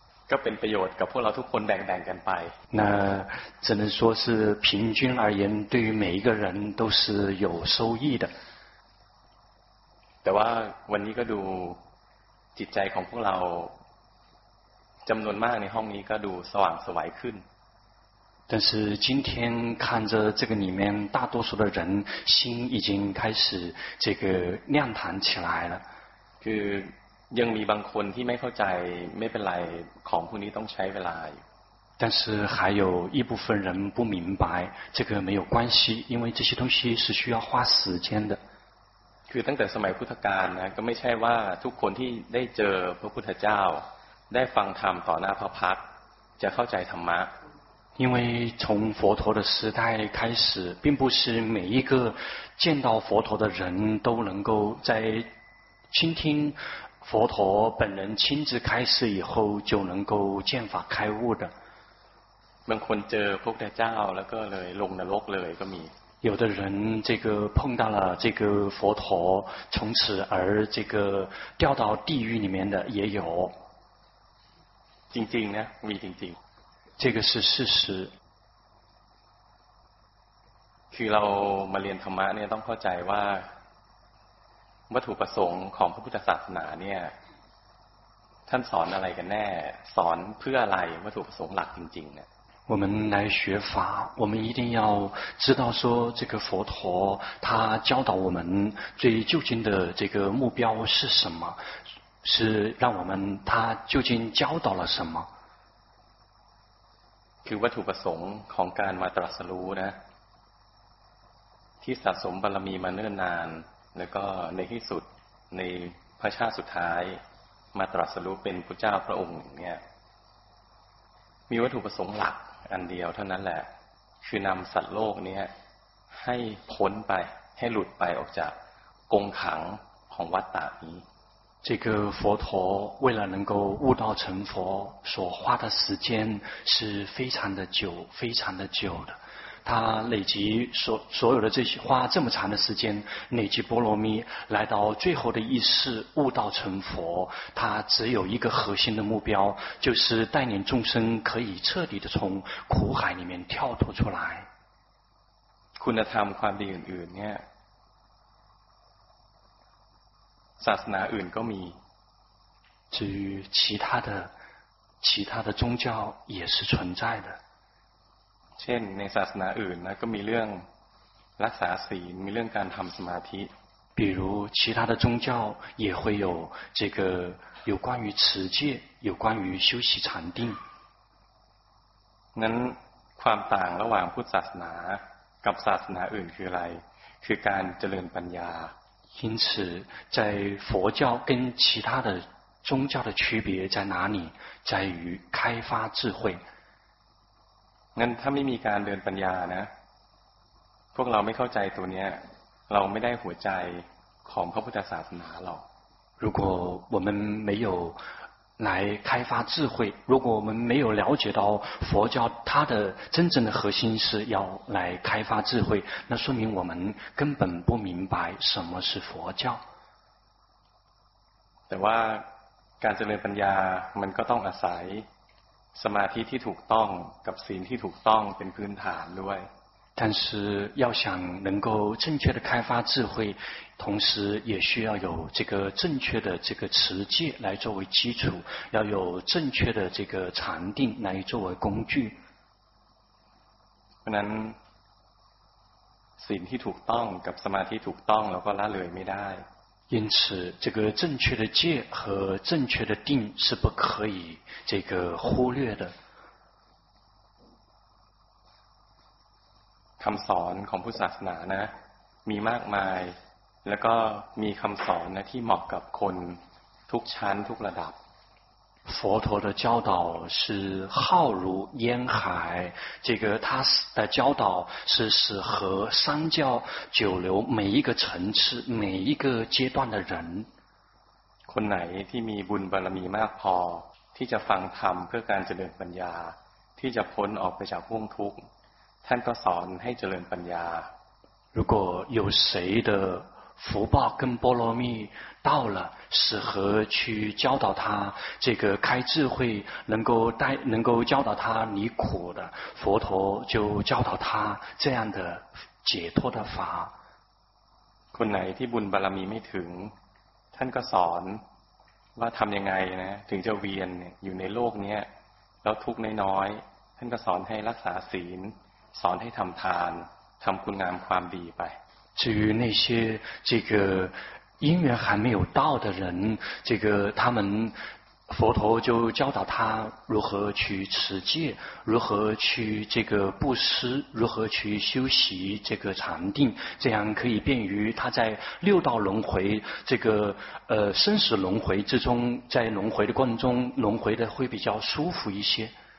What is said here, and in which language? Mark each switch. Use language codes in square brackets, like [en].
[th] ก็เป็นประโยชน์กับพวกเราทุกคนแบ่งๆกันไป [zh] 那只能说是平均而言对于每一个人都是有收益的 [th] แต่ว่าวันนี้ก็ดูจิตใจของพวกเราจำนวนมากในห้องนี้ก็ดูสว่างสวยขึ้น [zh] 但是今天看着这个里面大多数的人心已经开始这个亮堂起来了 [th] คือยังมีบางคนที่ไม่เข้าใจไม่เป็นไรของพวกนี้ต้องใช้เวลาอยู่ [zh] 但是还有一部分人不明白这个没有关系因为这些东西是需要花时间的 [th] คือตั้งแต่สมัยพุทธกาลนะก็ไม่ใช่ว่าทุกคนที่ได้เจอพระพุทธเจ้าได้ฟังธรรมต่อหน้าพระพักตร์จะเข้าใจธรรมะ [zh] 因为从佛陀的时代开始并不是每一个见到佛陀的人都能够在倾听佛陀本人亲自开示以后就能够见法开悟的 [th] บางคนเจอพระพุทธเจ้าแล้วก็เลยลงนรกเลยก็มี [zh] 有的人这个碰到了这个佛陀从此而这个掉到地狱里面的也有 [th] จริงๆนะมีจริง [zh] ๆ这个是事实 [th] คือเรามาเรียนธรรมะเนี่ยต้องเข้าใจว่าวัตถุประสงค์ของพระพุทธศาสนาเนี่ยท่านสอนอะไรกันแน่สอนเพื่ออะไรวัตถุประสงค์หลักจริงๆเนี่ย [zh] 我们来学法我们一定要知道说这个佛陀他教导我们最究竟的这个目标是什么是让我们他究竟教导了什么 [th] คือวัตถุประสงค์ของการมาตรัสรู้นะที่สะสมบารมีมาเนิ่นนานแล้วก็ในที่สุดในพระชาติสุดท้ายมาตรัสรู้เป็นพุทธเจ้าพระองค์เนี่ยมีวัตถุประสงค์หลักอันเดียวเท่านั้นแหละคือนำสัตว์โลกเนี่ยให้พ้นไปให้หลุดไปออกจากกงขังของวัฏฏะนี้ [zh] 这个佛陀为了能够悟道成佛所花的时间是非常的久非常的久的他累积所有的这些花这么长的时间累积波罗蜜来到最后的一世悟道成佛他只有一个核心的目标就是带领众生可以彻底的从苦海里面跳脱出来 [th] คุณธรรมความดีอื่นๆเนี่ยศาสนาอื่นก็มี [zh] 至于其他的宗教也是存在的 [th] เช่นในศาสนาอื่นนะก็มีเรื่องรักษาศีลมีเรื่องการทำสมาธิ [zh] 比如其他的宗教也会有这个有关于持戒有关于修习禅定 [th] นั้นความต่างระหว่างพุทธศาสนากับศาสนาอื่นคืออะไรคือการเจริญปัญญา [zh] 因此在佛教跟其他的宗教的区别在哪里在于开发智慧 [th] งั้นถ้าไม่มีการเดินปัญญานะพวกเราไม่เข้าใจตัวเนี้ยเราไม่ได้หัวใจของพระพุทธศาสนาหรอก [zh] 如果我们没有来开发智慧如果我们没有了解到佛教它的真正的核心是要来开发智慧那说明我们根本不明白什么是佛教 [th] แต่ว่าการเจริญปัญญามันก็ต้องอาศัยสมาธิที่ถูกต้องกับศีลที่ถูกต้องเป็นพื้นฐานด้วย [zh] 但是要想能够正确的开发智慧同时也需要有这个正确的这个持戒来作为基础要有正确的这个禅定来作为工具 [th] เพราะนั้นศีลที่ถูกต้องกับสมาธิถูกต้องเราก็ละเลยไม่ได้ [zh] 因此这个正确的戒和正确的定是不可以这个忽略的 [th] คำสอนของพุทธศาสนานะมีมากมายแล้วก็มีคำสอนนะที่เหมาะกับคนทุกชั้นทุกระดับ [zh] 佛陀的教导是浩如烟海这个他的教导是适合三教九流每一个层次每一个阶段的人 [th] คนไหนที่มีบุญบารมีมากพอที่จะฟังธรรมเพื่อการเจริญปัญญาที่จะพ้นออกไปจากห่วงทุกข์ท่านก็สอนให้เจริญปัญญา [zh] 如果有谁的福报跟波罗蜜到了适合去教导他这个开智慧能够教导他离苦的佛陀就教导他这样的解脱的法 [th] คนไหนที่บุญบารมีไม่ถึงท่านก็สอนว่าทำยังไงนะถึงจะเวียนอยู่ในโลกนี้แล้วทุกข์น้อยๆท่านก็สอนให้รักษาศีลสอนให้ทำทานทำคุณงามความดีไป [zh] 至于那些这个因缘还没有到的人，这个他们佛陀就教导他如何去持戒，如何去这个布施，如何去修习这个禅定，这样可以便于他在六道轮回这个生死轮回之中，在轮回的过程中，轮回的会比较舒服一些。